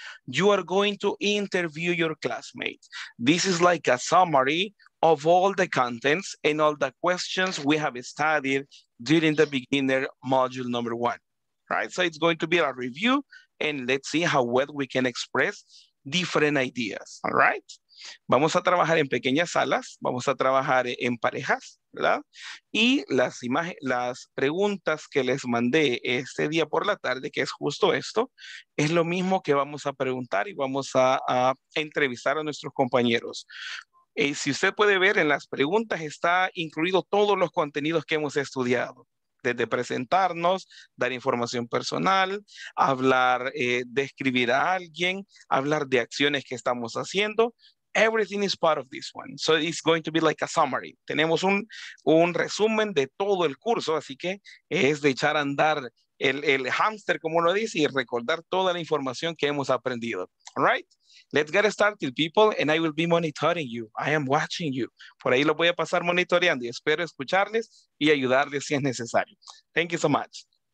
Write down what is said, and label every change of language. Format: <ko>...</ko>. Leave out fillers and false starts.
<en>You are going to interview your classmates. This is like a summary of all the contents and all the questions we have studied during the beginner module number 1, right? So it's going to be a review, and let's see how well we can express different ideas, all right?</en> <es>Vamos a trabajar en pequeñas salas, vamos a trabajar en parejas, ¿verdad? Y las preguntas que les mandé este día por la tarde, que es justo esto, es lo mismo que vamos a preguntar y vamos a entrevistar a nuestros compañeros. Si usted puede ver en las preguntas, está incluido todos los contenidos que hemos estudiado, desde presentarnos, dar información personal, hablar, describir a alguien, hablar de acciones que estamos haciendo.</es> <en>Everything is part of this one. So it's going to be like a summary.</en> <es>Tenemos un resumen de todo el curso, así que es de echar a andar el hámster, como lo dice, y recordar toda la información que hemos aprendido.</es> <en>All right? Let's get started, people, and I will be monitoring you. I am watching you.</en> <es>Por ahí lo voy a pasar monitoreando y espero escucharles y ayudarles si es necesario.</es> <en>Thank you so much.</en>